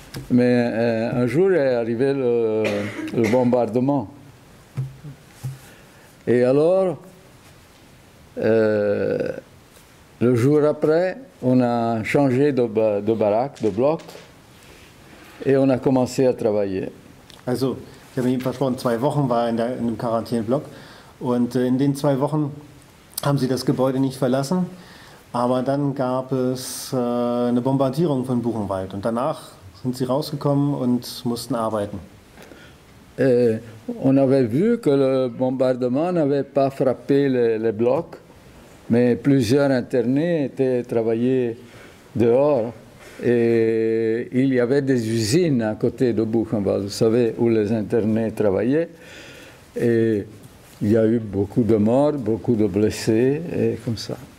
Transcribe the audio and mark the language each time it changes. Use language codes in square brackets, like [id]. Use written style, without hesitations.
[fr] Mais un jour est arrivé le bombardement. Et alors, le jour après, on a changé de baraque, de bloc, et on a commencé à travailler. [de] Also, ich habe Ihnen versprochen, 2 Wochen war in einem Quarantäneblock. Und in den 2 Wochen haben sie das Gebäude nicht verlassen, aber dann gab es eine Bombardierung von Buchenwald, und danach sind sie rausgekommen und mussten arbeiten. [fr] On avait vu que le bombardement n'avait pas frappé les blocs, mais plusieurs internés étaient travaillés dehors, et il y avait des usines à côté de Buchenwald, vous savez, où les internés travaillaient, et il y a eu beaucoup de morts, beaucoup de blessés, et comme ça.